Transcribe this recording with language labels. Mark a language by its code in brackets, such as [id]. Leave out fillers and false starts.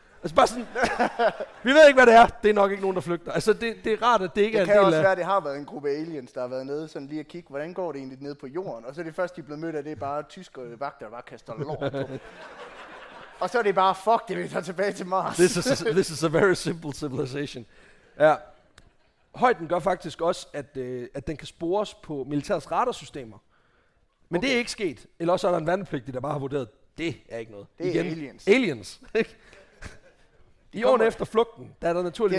[da] Altså bare sådan, vi ved ikke, hvad det er. Det er nok ikke nogen, der flygter. Altså det er rart, at det ikke er en del af... Det kan også være, at det har været en gruppe aliens, der har været nede sådan lige at kigge, hvordan går det egentlig nede på jorden? Og så er det først, de er blevet mødt af, det er bare tyske vagter, der bare kaster lort på. Og så er det bare, fuck det, vi tager tilbage til Mars. [en] This is a very simple civilization. [da] Ja. Højden gør faktisk også, at den kan spores på militærets radarsystemer. Men okay. Det er ikke sket. Eller også er der en værnepligtig, der bare har vurderet, det er ikke noget. Det er igen. Aliens. Aliens. I årene efter flugten, der er der naturligvis...